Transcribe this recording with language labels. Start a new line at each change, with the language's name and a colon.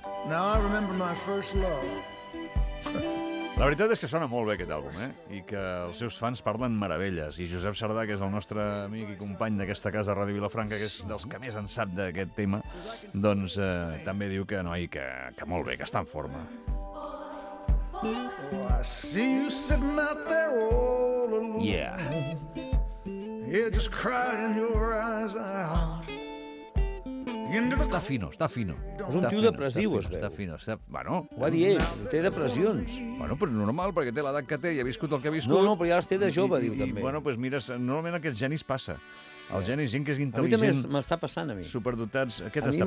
English: Now I remember my first love.
Catalan: La veritat és que sona molt bé aquest àlbum, eh? I que els seus fans parlen meravelles. I Josep Sardà, que és el nostre amic i company d'aquesta casa, Ràdio Vilafranca, que és dels que més en sap d'aquest tema, doncs també diu que, noi, que molt bé, que està en forma.
English: Oh, I see you sitting out there all alone. Yeah. You're just crying your eyes out.
Catalan: Està fino, està fino. És un tio depressiu, es veu. Està fino, està... Bueno... Ho ha dit ell, té depressions. Bueno, però normal, perquè té l'edat que té i ha viscut el que ha viscut. No, no, però ja les té de jove, diu, també. I, bueno, doncs pues, mira, normalment aquests genis passa. Sí. El geni és gent que és intel·ligent. A mi també m'està passant, a mi. Superdotats. Què t'està